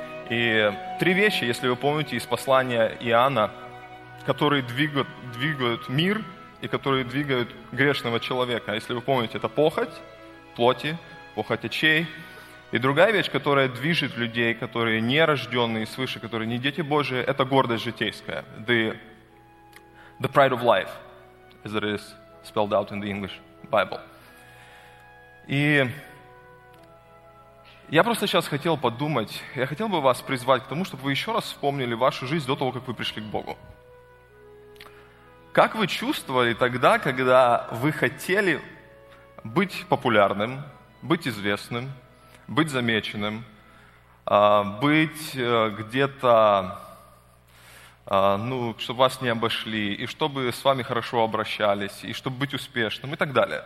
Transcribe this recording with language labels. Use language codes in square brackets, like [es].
[ru] И три вещи, если вы помните, из послания Иоанна, которые двигают мир и которые двигают грешного человека. Если вы помните, это похоть плоти, похоть очей. И другая вещь, которая движет людей, которые не рожденные свыше, которые не дети Божьи, это гордость житейская. [en] The pride of life, as it is spelled out in the English Bible. [ru] И я просто сейчас хотел подумать, я хотел бы вас призвать к тому, чтобы вы еще раз вспомнили вашу жизнь до того, как вы пришли к Богу. Как вы чувствовали тогда, когда вы хотели быть популярным, быть известным, быть замеченным, быть где-то, ну, чтобы вас не обошли, и чтобы с вами хорошо обращались, и чтобы быть успешным, и так далее.